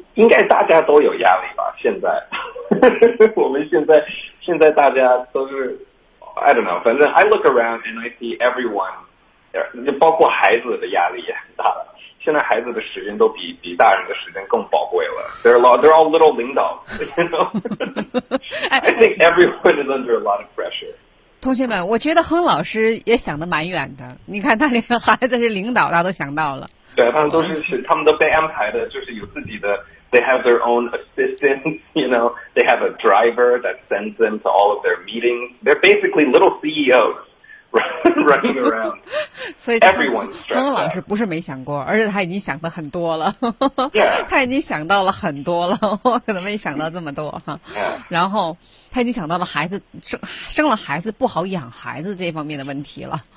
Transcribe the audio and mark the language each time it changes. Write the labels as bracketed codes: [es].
[zh] 应该大家都有压力吧？现在我们现在大家都是 [en] I don't know， [zh] 反正 [en] I look around and I see everyone， [zh] 就包括孩子的压力也很大了。现在孩子的时间都比大人的时间更宝贵了。 [en] They're all little 领导， you know. I think everyone is under a lot of pressure. [zh] 同学们，我觉得亨老师也想得蛮远的。你看他连孩子是领导，他都想到了。对，他们都被安排的，就是有自己的。 [en] They have their own assistants, you know. They have a driver that sends them to all of their meetings. They're basically little CEOs. running around. [zh] 所以亨老师不是没想过，而且他已经想的很多了。 [en] yeah. [zh] 他已经想到了很多了，我可能没想到这么多。 [en] yeah. [zh] 然后他已经想到了孩子生了孩子不好养孩子这方面的问题了。